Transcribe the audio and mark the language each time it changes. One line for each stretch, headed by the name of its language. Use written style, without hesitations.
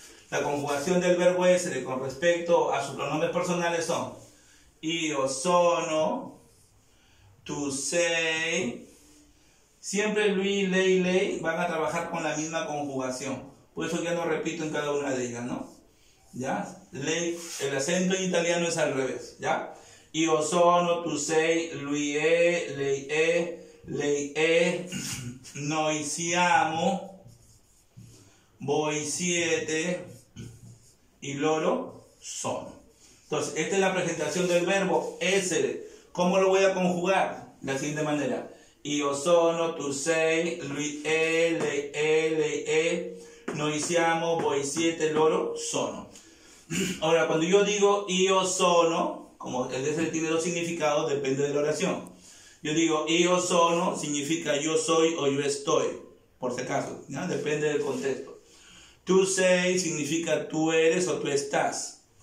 Spanish: La conjugación del verbo essere con respecto a sus pronombres personales son
Italian: io sono, tu sei.
Spanish: Siempre
Italian: lui, lei, lei
Spanish: van a trabajar con la misma conjugación. Por eso ya no repito en cada una de ellas, ¿no? ¿Ya? Lei, el acento en italiano es al revés, ¿ya?
Italian: Io sono, tu sei, lui è, lei è, noi siamo, voi siete, y loro son.
Spanish: Entonces, esta es la presentación del verbo essere. ¿Cómo lo voy a conjugar? De la siguiente manera.
Italian: Io sono, tu sei, lui è, lei è, lei è, noi siamo, voi siete, loro sono.
Spanish: Ahora, cuando yo digo
Italian: io sono,
Spanish: como el essere tiene dos significados, depende de la oración. Yo digo
Italian: io sono,
Spanish: significa yo soy o yo estoy, por si acaso, ¿no? Depende del contexto.
Italian: Tu sei
Spanish: significa tú eres o tú estás.